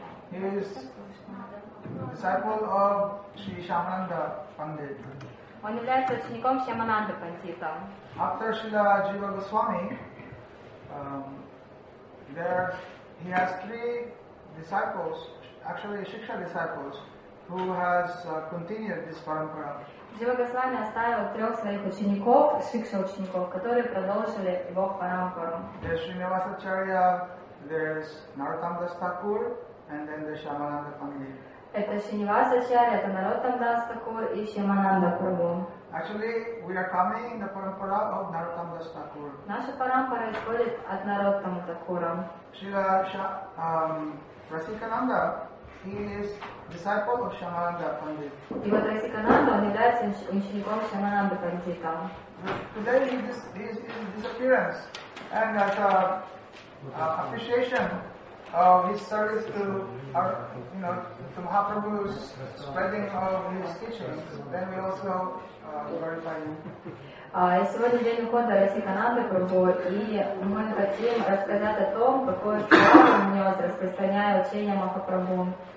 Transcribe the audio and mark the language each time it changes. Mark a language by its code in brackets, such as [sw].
[en] He is disciple of Sri Shyamananda Pandit. [ru] Он является учеником Шьямананды Пандита. [en] After Srila Jiva Goswami, there he has three disciples, actually Shiksha disciples, who has continued this parampara. [ru] Jiva Goswami оставил трех своих учеников, Шикша учеников, которые продолжили его парампару. [en] There's Srinivasacharya, there's Narottam Das Thakur, and then the Shyamananda Pandit. [ru] Это Шринивасачарья, это Нароттам Дас Такур и Шьямананда Прабху. [en] Actually, we are coming in the parampara of Narottam Das Thakur. [ru] Наша парампара исходит от Нароттам Такура. [en] Шрила Расикананда, he is disciple of Шьямананда Пандит. [ru] И вот Расикананда, он является учеником Шьямананды Пандита. [en] Today his disappearance and as a appreciation his service to to Mahaprabhu's spreading of his teachings, then we also glorify him. [ru] И сегодня день ухода Расикананды Прабху, и мы хотим рассказать о том, какое слово он нес, распространяя учение Махапрабху.